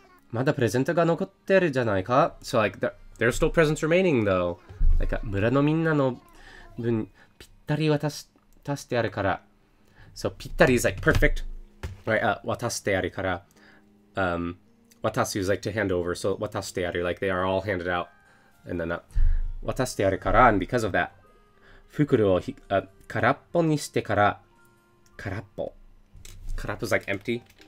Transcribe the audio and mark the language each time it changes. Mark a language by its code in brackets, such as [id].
[ja] まだプレゼントが残ってるじゃないか? [en] So, like, there are still presents remaining, though. [ja] Like, 村のみんなの分ぴったり渡してあるから。 [en] So, ぴったり is, like, perfect. Right, 渡してあるから。 Watashi is like to hand over, so watashite aru, like they are all handed out, and then watashite aru kara, and because of that, fukuru wo karappo ni shite kara, karappo, karappo is like empty,